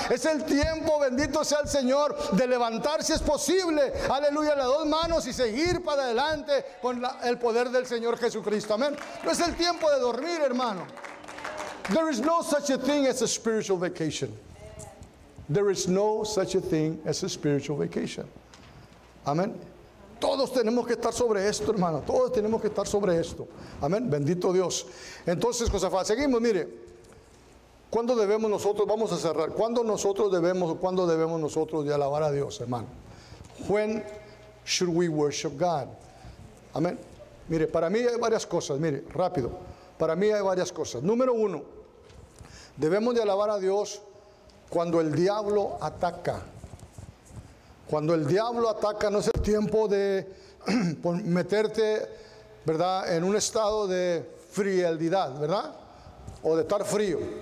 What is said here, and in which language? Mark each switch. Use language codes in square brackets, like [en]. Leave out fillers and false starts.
[es] Es el tiempo, bendito sea el Señor, de levantarse, es posible, aleluya, las dos manos y seguir para adelante con el poder del Señor Jesucristo. Amén. No es el tiempo de dormir, hermano. [en] There is no such a thing as a spiritual vacation. There is no such a thing as a spiritual vacation. [es] Amén. Todos tenemos que estar sobre esto, hermano. Todos tenemos que estar sobre esto. Amén. Bendito Dios. Entonces, Josafat, seguimos, mire. ¿Cuándo debemos nosotros, vamos a cerrar, cuándo debemos nosotros de alabar a Dios, hermano? [en] When should we worship God? [es] Amén. Mire, para mí hay varias cosas, mire, rápido. Para mí hay varias cosas. Número uno, debemos de alabar a Dios cuando el diablo ataca. Cuando el diablo ataca, no es el tiempo de meterte, ¿verdad?, en un estado de frialdad, ¿verdad?, o de estar frío.